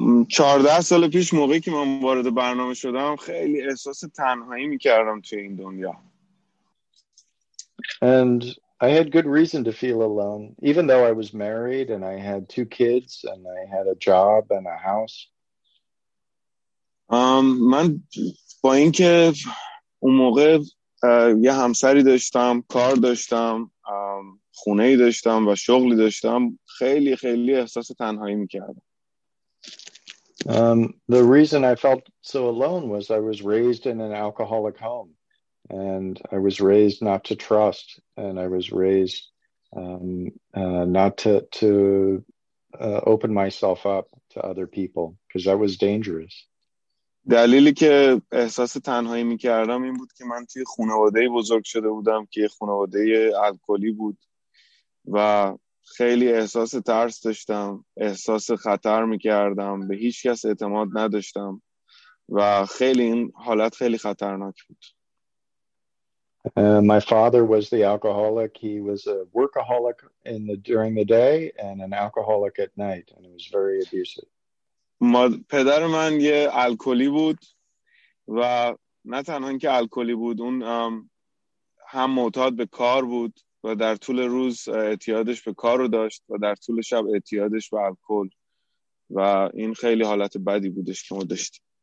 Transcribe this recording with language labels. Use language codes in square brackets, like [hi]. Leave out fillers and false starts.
[fa] 14 سال پیش موقعی که من وارد برنامه شدم خیلی احساس تنهایی میکردم توی این دنیا. [en] And I had good reason to feel alone even though I was married and I had two kids and I had a job and a house. [fa] من با اینکه اون موقع یه همسری داشتم، کار داشتم، خونه‌ای داشتم و شغلی داشتم، خیلی خیلی احساس تنهایی میکردم. [en] The reason I felt so alone was I was raised in an alcoholic home and I was raised not to trust and I was raised not to open myself up to other people because that was dangerous. [fa] دلیلی که احساس تنهایی میکردم این بود که من توی خانواده بزرگ شده بودم که خانواده الکلی بود و خیلی احساس ترس داشتم، احساس خطر میکردم، به هیچ کس اعتماد نداشتم و خیلی این حالت خیلی خطرناک بود. [en] My father was the alcoholic. He was a workaholic during the day and an alcoholic at night and it was very abusive. [fa] پدر من یه الکلی بود و نه تنها اینکه الکلی بود، اون هم معتاد به کار بود و در طول روز اعتیادش به کار رو داشت و در طول شب اعتیادش به الکل و این خیلی حالت بدی بودش که ما داشتیم.